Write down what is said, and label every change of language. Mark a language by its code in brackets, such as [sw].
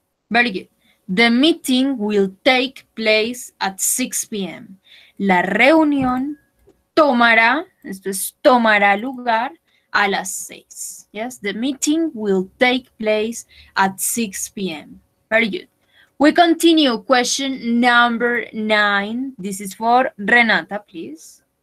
[en] Very good. The meeting will take place at 6 p.m. [es] La reunión tomará, esto es, tomará lugar a las 6. [en] Yes, the meeting will take place at 6 p.m. Very good. We continue. Question number 9. This is for Renata, please.